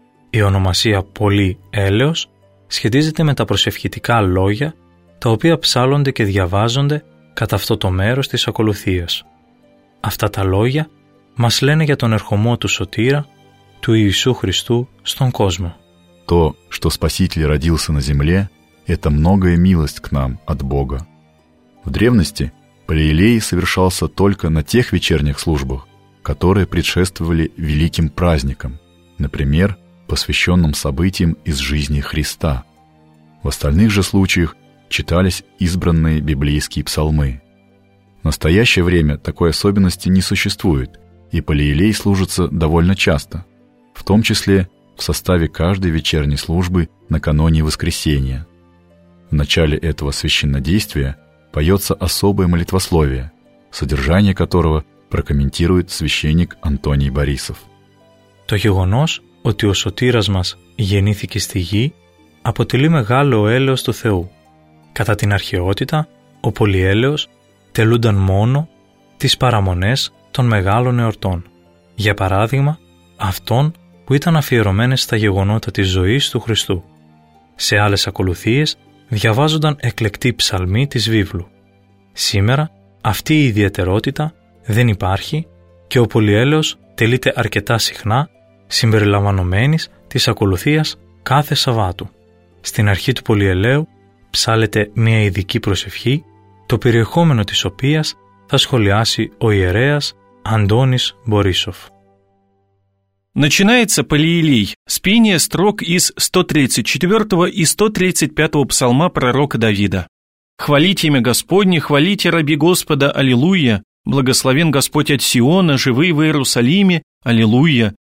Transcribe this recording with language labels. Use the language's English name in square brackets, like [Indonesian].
[Greek] Η ονομασία «Πολυέλαιος» σχετίζεται με τα προσευχητικά λόγια τα οποία ψάλλονται και διαβάζονται κατά αυτό το μέρος της ακολουθίας. Αυτά τα λόγια μας λένε για τον ερχομό του Σωτήρα, του Ιησού Χριστού στον κόσμο. [Russian] То, что Спаситель родился на земле, это многая милость к нам от Бога. В древности палиелей совершался только на тех вечерних службах, которые предшествовали великим праздникам, например, посвященным событиям из жизни Христа. В остальных же случаях читались избранные библейские псалмы. В настоящее время такой особенности не существует, и палиелей служится довольно часто, в том числе в составе каждой вечерней службы накануне воскресения. В начале этого священнодействия поется особое молитвословие, содержание которого прокомментирует священник Антоний Борисов. [Greek] Το γεγονός ότι ο Σωτήρας μας γεννήθηκε στη γη αποτελεί μεγάλο έλεος του Θεού. Κατά την αρχαιότητα, ο Πολυέλαιος τελούνταν μόνο τις παραμονές των μεγάλων εορτών. Για παράδειγμα, αυτόν που ήταν αφιερωμένες στα γεγονότα της ζωής του Χριστού. Σε άλλες ακολουθίες διαβάζονταν εκλεκτοί ψαλμοί της Βίβλου. Σήμερα αυτή η ιδιαιτερότητα δεν υπάρχει και ο Πολυέλαιος τελείται αρκετά συχνά συμπεριλαμβανομένης της ακολουθίας κάθε Σαββάτου. Στην αρχή του Πολυελαίου ψάλεται μια ειδική προσευχή, το περιεχόμενο της οποίας θα σχολιάσει ο ιερέας Αντώνης Μπορίσοφ. [Russian] Начинается палиелей с пения строк из 134 и 135 псалма пророка Давида. «Хвалите имя Господне, хвалите раби Господа, аллилуйя! Благословен Господь от Сиона, живый в Иерусалиме, аллилуйя!